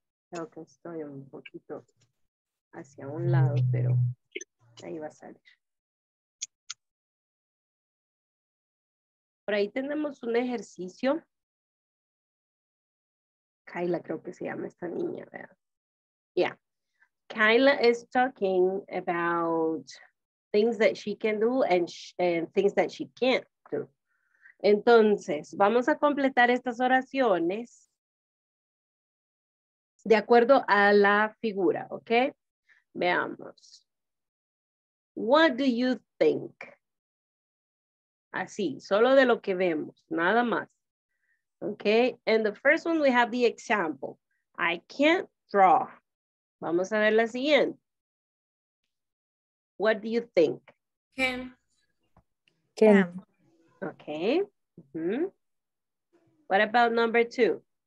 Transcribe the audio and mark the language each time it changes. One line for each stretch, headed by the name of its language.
Spanish: Creo que estoy un poquito hacia un lado, pero ahí va a salir. Por ahí tenemos un ejercicio. Kyla creo que se llama esta niña, ¿verdad?
English: Yeah. Kyla is talking about things that she can do and things that she can't do.
Spanish: Entonces, vamos a completar estas oraciones de acuerdo a la figura, ¿ok? Veamos.
English: What do you think?
Spanish: Así, solo de lo que vemos, nada más. ¿Ok?
English: And the first one, we have the example. I can't draw.
Spanish: Vamos a ver la siguiente.
English: What do you think? Can. Ok. Mm-hmm. What about number two?